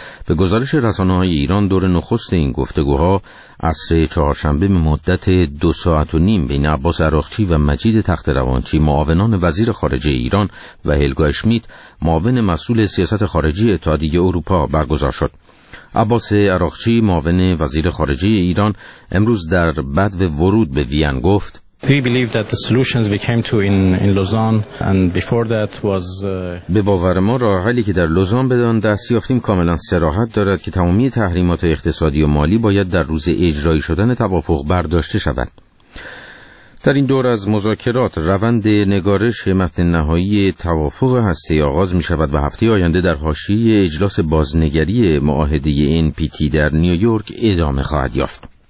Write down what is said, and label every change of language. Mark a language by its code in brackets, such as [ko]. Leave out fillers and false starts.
[fa] به گزارش رسانه‌های ایران دور نخست این گفتگوها عصر چهارشنبه به مدت 2.5 ساعت بین عباس عراقچی و مجید تخت‌روانچی معاونان وزیر خارجه ایران و هلگا اشمیت معاون مسئول سیاست خارجی اتحادیه اروپا برگزار شد. عباس عراقچی معاون وزیر خارجه ایران امروز در بدو ورود به وین گفت [en] We believe that the solutions we came to in Lausanne and before that was [fa] به باور ما راه حلی که در لوزان به آن دست یافتیم کاملا صراحت دارد که تمامی تحریمات اقتصادی و مالی باید در روز اجرایی شدن توافق برداشته شود. در این دور از مذاکرات روند نگارش متن نهایی توافق هسته‌ای آغاز می شود و هفته آینده در حاشیه اجلاس بازنگری معاهده NPT در نیویورک ادامه خواهد یافت.